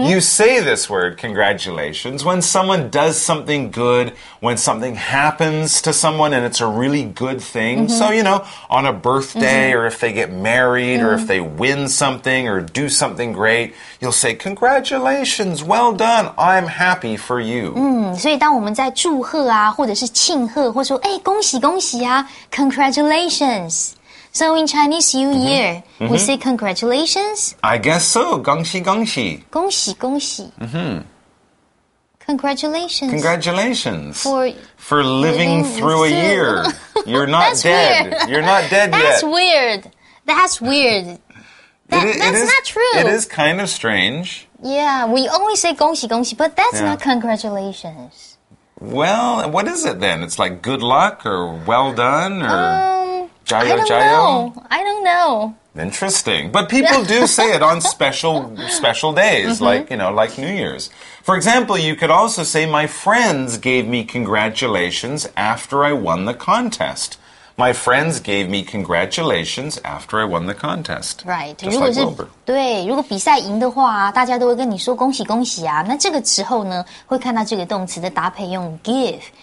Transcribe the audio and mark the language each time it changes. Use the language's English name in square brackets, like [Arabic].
[English] you say this word, congratulations, when someone does something good, when something happens to someone and it's a really good thing.、Mm-hmm. So, you know, on a birthday、mm-hmm. or if they get married、mm-hmm. or if they win something or do something great, you'll say, congratulations, well done, I'm happy for you.、 Mm-hmm. [Chinese] 所以当我们在祝贺啊或者是庆贺或者说、哎、恭喜恭喜啊 congratulations. [English] So in Chinese New Year,、mm-hmm. we say congratulations? I guess so. [Chinese] 恭喜恭喜。恭喜恭喜。 [English] Mm-hmm. Congratulations. Congratulations. For living through a year. You're not That's dead. Weird. You're not dead yet. That's weird. That's weird. That's not true. It is kind of strange. Yeah, we always say [Chinese] 恭喜恭喜, [English] but that's、yeah. not congratulations. Well, what is it then? It's like good luck or well done or...、 I don't know. Interesting. But people do say it on special days,、mm-hmm. like, you know, like New Year's. For example, you could also say, my friends gave me congratulations after I won the contest. My friends gave me congratulations after I won the contest. Right. Just like Wilbur. [Chinese] 对如果比赛赢的话大家都会跟你说恭喜恭喜啊。那这个时候呢会看到这个动词的搭配用 give.